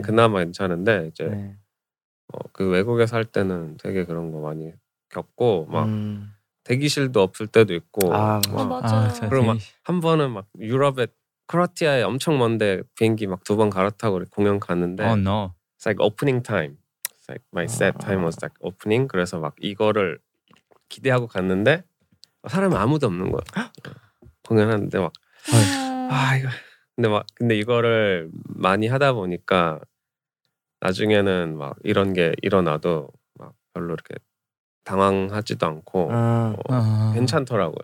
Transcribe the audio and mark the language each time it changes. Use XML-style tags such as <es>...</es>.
<ko>그나마 괜찮은데 이제 네. 그 외국에서 할 때는 되게 그런 거 많이 겪고 막 대기실도 없을 때도 있고 맞아요. 그리고 막 한 번은 막 유럽에 크로아티아에 엄청 먼데 비행기 막 두 번 갈아타고 공연 갔는데</ko> <en>oh, no. It's like opening time. It's like my set time was like opening.</en> <ko>그래서 막 이거를 기대하고 갔는데 사람이 아무도 없는 거야. 공연하는데 막 아 이거 근데 막 근데 이거를 많이 하다 보니까 나중에는 막 이런 게 일어나도 막 별로 이렇게 당황하지도 않고 괜찮더라고요.</ko>